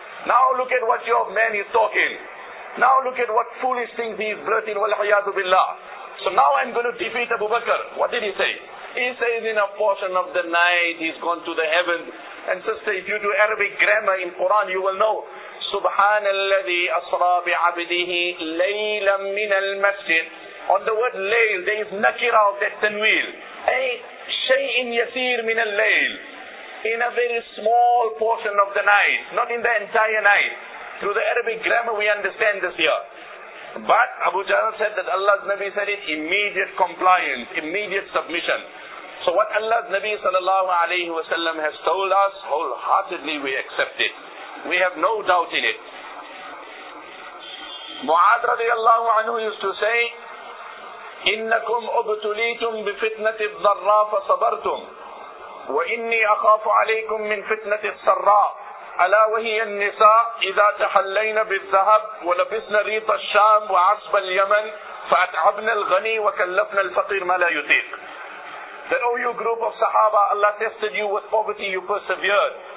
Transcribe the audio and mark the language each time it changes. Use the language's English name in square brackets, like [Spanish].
[English] Now look at what your man is talking. Now look at what foolish things he is blurting, wal-hayyadu billah. So now I'm going to defeat Abu Bakr. What did he say? He says in a portion of the night, he's gone to the heavens. And sister, if you do Arabic grammar in Quran, you will know. [Arabic] سبحان الذي أسرى بعبده ليلا من المسجد. [English] On the word layl, there is nakira of that tanwil. [Arabic] أي شيء يسير من الليل. [English] In a very small portion of the night, not in the entire night. Through the Arabic grammar, we understand this here. But Abu Jahl said that Allah's Nabi said it, immediate compliance, immediate submission. So what Allah's Nabi sallallahu alayhi wa sallam has told us, wholeheartedly we accept it. We have no doubt in it. Mu'adh radiallahu anhu used to say, [Arabic] إِنَّكُمْ أُبْتُلِيتُمْ بِفِتْنَةِ الضَّرَّى فَصَبَرْتُمْ وَإِنِّي أَخَافُ عَلَيْكُمْ مِنْ فِتْنَةِ السَّرَّى ألا وهي النساء إذا تحلين بالذهب ولبسن ريط الشام وعصب اليمن فأتعبن الغني وكلفن الفقير ما لا يطيق. [English] That, oh, you group of Sahaba, Allah tested you with poverty, you persevered.